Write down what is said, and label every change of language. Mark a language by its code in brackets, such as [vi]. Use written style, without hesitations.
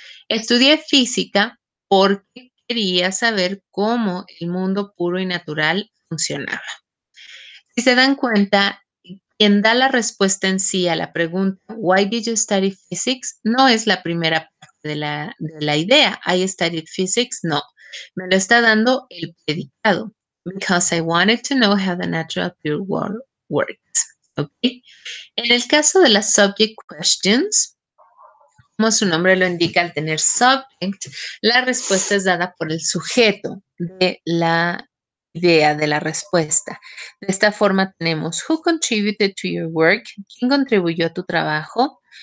[es] Estudié física porque quería saber cómo el mundo puro y natural funcionaba. Si se dan cuenta, quien da la respuesta en sí a la pregunta, [en] why did you study physics? [es] No es la primera parte de la idea. [en] I studied physics. [es] No. Me lo está dando el predicado. [en] Because I wanted to know how the natural pure world works. Okay. [es] En el caso de las subject questions, como su nombre lo indica, al tener subject, la respuesta es dada por el sujeto de la idea de la respuesta. De esta forma tenemos, [en] who contributed to your work? [es] ¿Quién contribuyó a tu trabajo?